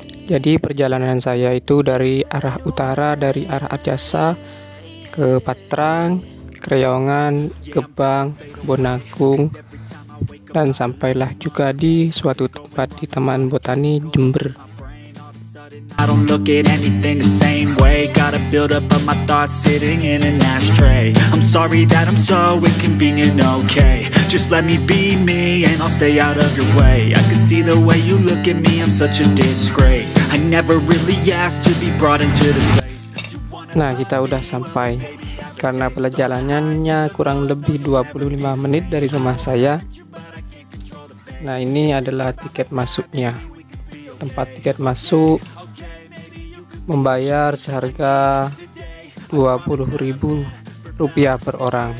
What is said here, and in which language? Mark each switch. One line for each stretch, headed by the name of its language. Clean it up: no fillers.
Indonesian: Jadi perjalanan saya itu dari arah utara, dari arah Arjasa ke Patrang, Kreyongan, Gebang, Kebonagung, dan sampailah juga di suatu tempat di Taman Botani Jember.
English: I don't look at anything the same way. Gotta build up of my thoughts sitting in an ashtray. I'm sorry that I'm so inconvenient, okay. Just let me be me and I'll stay out of your way. I can see the way you look at me, I'm such a disgrace. I never really asked to be brought into this place.
Indonesian: Nah, kita udah sampai. Karena perjalanannya kurang lebih 25 menit dari rumah saya. Nah, ini adalah tiket masuknya. Tempat tiket masuk membayar seharga Rp20.000 per orang.